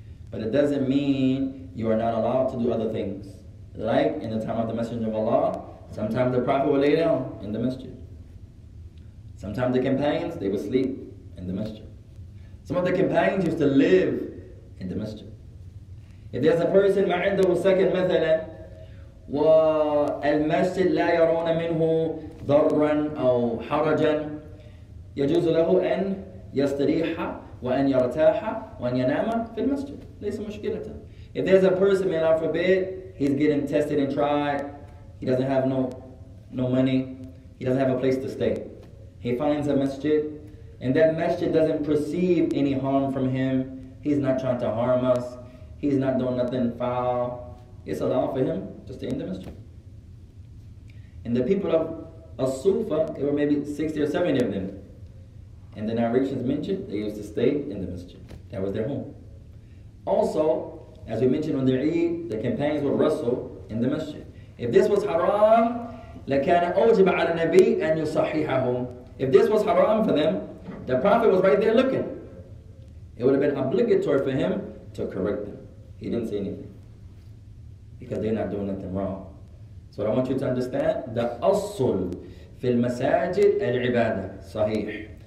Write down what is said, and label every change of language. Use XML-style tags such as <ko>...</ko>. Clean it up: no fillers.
<en>But it doesn't mean you are not allowed to do other things. Like in the time of the Messenger of Allah, sometimes the Prophet would lay down in the masjid. Sometimes the companions, they would sleep in the masjid. Some of the companions used to live in the masjid.</en> <ar>If there's a person, ma'indahu second مثلا, وَالْمَسْجِدْ لَا يَرَوْنَ مِنْهُ ضَرًّا أَوْ حَرَجًا يَجُوزُ لَهُ أَنْ يَسْتَرِيحَ وَأَنْ يَرْتَاحَ وَأَنْ يَنَامَ فِي الْمَسْجِدْ لَيْسَ مُشْكِلَةً.</ar> <en>If there's a person, may Allah forbid, he's getting tested and tried, he doesn't have no money, he doesn't have a place to stay, he finds a masjid, and that masjid doesn't perceive any harm from him, he's not trying to harm us, he's not doing nothing foul, it's allowed for him to stay in the masjid. And the people of As-Sufa, there were maybe 60 or 70 of them, and the narrations mentioned, they used to stay in the masjid. That was their home. Also, as we mentioned on the Eid, the companions would wrestle in the masjid. If this was haram,</en> <ar>لَكَانَ أَوْجِبَ عَلَى النَّبِيِّ أَنْ يُصَحِّحَهُمْ.</ar> <en>If this was haram for them, the Prophet was right there looking. It would have been obligatory for him to correct them. He didn't say anything, because they're not doing nothing wrong. So what I want you to understand, the</en> <ar>asul fi al-masajid al-ibadah, sahih.</ar>